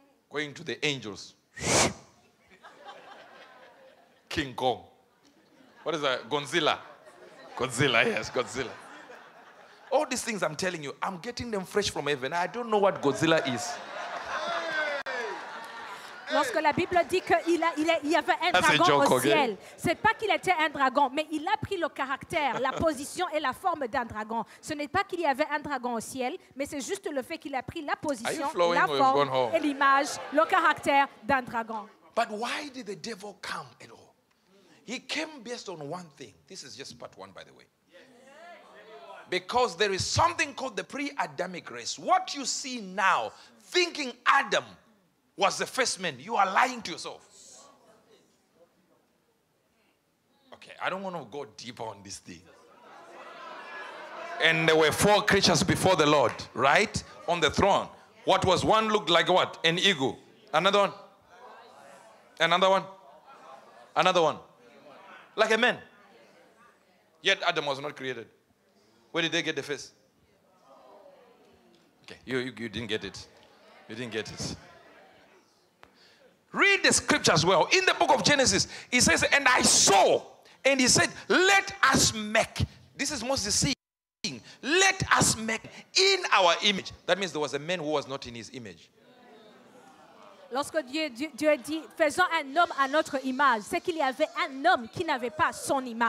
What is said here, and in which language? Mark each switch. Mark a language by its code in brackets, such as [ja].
[en] Going to the angels. King Kong. What is that? Godzilla. Godzilla, yes, Godzilla. All these things I'm telling you, I'm getting them fresh from heaven. I don't know what Godzilla is. [fr] Lorsque la Bible dit qu'il a, il a, il avait un [en] That's dragon joke, [fr] au ciel, [en] okay? [fr] C'est pas qu'il était un dragon, mais il a pris le caractère, la position et la forme d'un dragon. Ce n'est pas qu'il y avait un dragon au ciel, mais c'est juste le fait qu'il a pris la position, la forme et l'image, le caractère d'un dragon. [en] But why did the devil come at all? He came based on one thing. This is just part one, by the way. Because there is something called the pre-Adamic race. What you see now, thinking Adam was the first man, you are lying to yourself. Okay, I don't want to go deep on this thing. And there were four creatures before the Lord, right? On the throne. What was one looked like what? An eagle. Another one? Another one. Like a man. Yet Adam was not created. Where did they get the face? Okay, you didn't get it. You didn't get it. Read the scripture as well. In the book of Genesis, it says, and I saw, and he said, let us make. This is Moses saying, let us make in our image. That means there was a man who was not in his image. [fr] Lorsque Dieu dit, faisons un homme à notre image, c'est qu'il y avait un homme qui n'avait pas son image.